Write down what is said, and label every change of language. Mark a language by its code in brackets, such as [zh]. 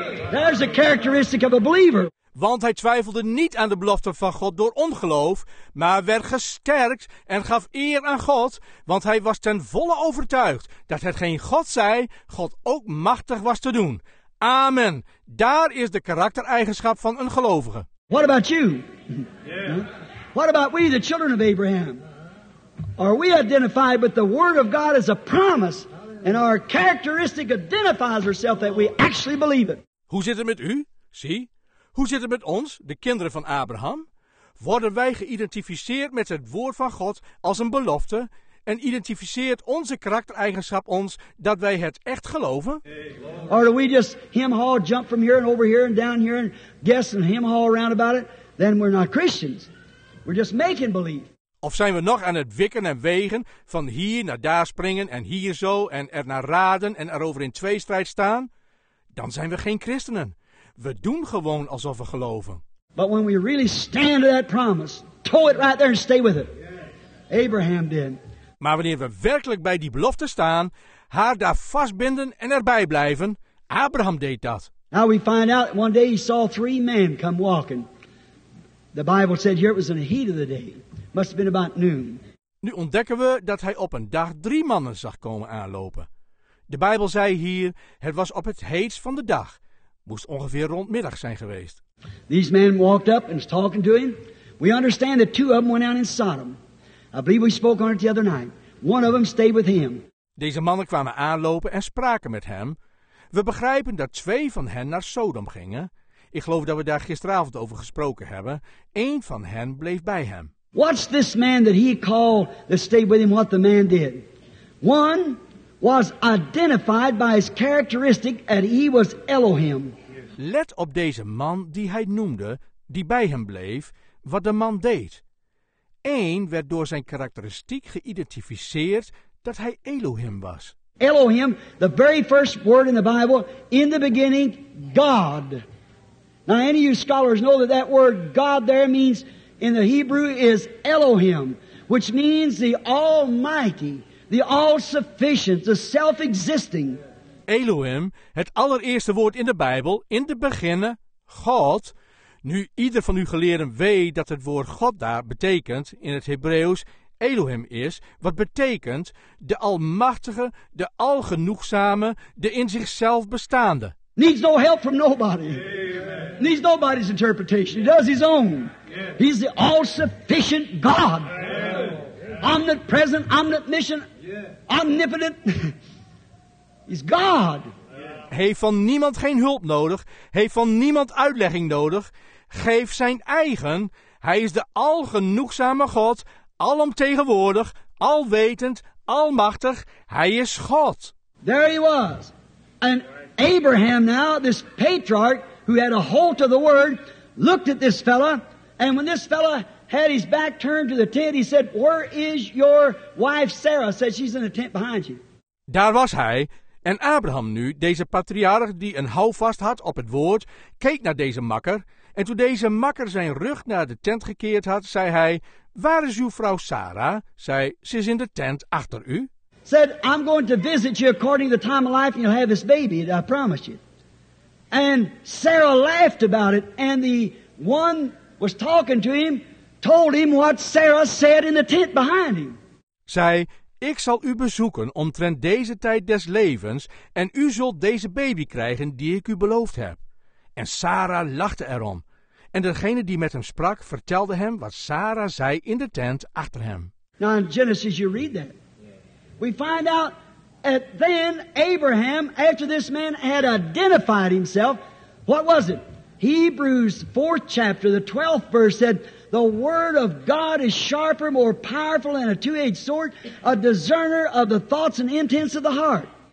[en] There's a characteristic of a believer. [nl] Want hij twijfelde niet aan de belofte van God door ongeloof, maar werd gesterkt en gaf eer aan God, want hij was ten volle overtuigd dat hetgeen God zei, God ook machtig was te doen. Amen. Daar is de karaktereigenschap van een gelovige. [en] What about you? Yeah. What about we, the children of Abraham? Are we identified with the word of God as a promise and our characteristic identifies ourselves that we actually believe it? [nl] Hoe zit het met u? Zie. Hoe zit het met ons, de kinderen van Abraham? Worden wij geïdentificeerd met het woord van God als een belofte? En identificeert onze karaktereigenschap ons dat wij het echt geloven? [en] Or do we just hem-haw, jump from here and over here and down here and guess and hem-haw around about it? Then we're not Christians. We're just making believe. [nl] Of zijn we nog aan het wikken en wegen, van hier naar daar springen en hier zo en er naar raden en erover in tweestrijd staan? Dan zijn we geen christenen. We doen gewoon alsof we geloven. [en] But when we really stand to that promise, tow it right there and stay with it. Abraham did. [nl] Maar wanneer we werkelijk bij die belofte staan, haar daar vastbinden en erbij blijven, Abraham deed dat. [en] Now we find out one day he saw three men come walking. The Bible said here it was in the heat of the day. Must have been about noon. [nl] Nu ontdekken we dat hij op een dag drie mannen zag komen aanlopen. De Bijbel zei hier, het was op het heetst van de dag. Moest ongeveer rond middag zijn geweest. [en] These men walked up and was talking to him. We understand that two of them went out in Sodom. I believe we spoke on it the other night. One of them stayed with him. [nl] Deze mannen kwamen aanlopen en spraken met hem. We begrijpen dat twee van hen naar Sodom gingen. Ik geloof dat we daar gisteravond over gesproken hebben. Eén van hen bleef bij hem. [en] What's this man that he called that stayed with him, what the man did? One was identified by his characteristic that he was Elohim. [nl] Let op deze man die hij noemde, die bij hem bleef, wat de man deed. Eén werd door zijn karakteristiek geïdentificeerd dat hij Elohim was. [en] Elohim, the very first word in the Bible, in the beginning, God. Now any of you scholars know that that word God there means in the Hebrew is Elohim, which means the Almighty, the All-Sufficient, the Self-Existing. [nl] Elohim, het allereerste woord in de Bijbel, in de beginnen, God. Nu ieder van u geleerden weet dat het woord God daar betekent, in het Hebreeuws, Elohim is, wat betekent de Almachtige, de Algenoegzame, de in zichzelf bestaande. [en] Needs no help from nobody. Amen. Needs nobody's interpretation. He does his own. Yes. He's the all-sufficient God. Yes. Omnipresent, omniscient, yes. Omnipotent. He's God. Yes. [nl] Heeft van niemand geen hulp nodig. Heeft van niemand uitlegging nodig. Geef zijn eigen. Hij is de algenoegzame God. Alomtegenwoordig, alwetend, almachtig. Hij is God. [en] There he was. And Abraham now, this patriarch, who had a hold of the word, looked at this fella, and when this fella had his back turned to the tent, he said, where is your wife Sarah? Said, she's in the tent behind you. [nl] Daar was hij, en Abraham nu, deze patriarch die een houvast had op het woord, keek naar deze makker, en toen deze makker zijn rug naar de tent gekeerd had, zei hij, waar is uw vrouw Sarah? Zei, ze is in de tent achter u. [en] Said, I'm going to visit you according to the time of life, and you'll have this baby, I promise you. And Sarah laughed about it, and the one was talking to him, told him what Sarah said in the tent behind him. [nl] Zei, ik zal u bezoeken omtrent deze tijd des levens, en u zult deze baby krijgen die ik u beloofd heb. En Sarah lachte erom. En degene die met hem sprak, vertelde hem wat Sarah zei in de tent achter hem. [en] Now in Genesis you read that. We find out that then Abraham, after this man had identified himself, what was it? Hebrews 4th chapter, the 12th verse said, the word of God is sharper, more powerful than a two-edged sword, a discerner of the thoughts and intents of the heart.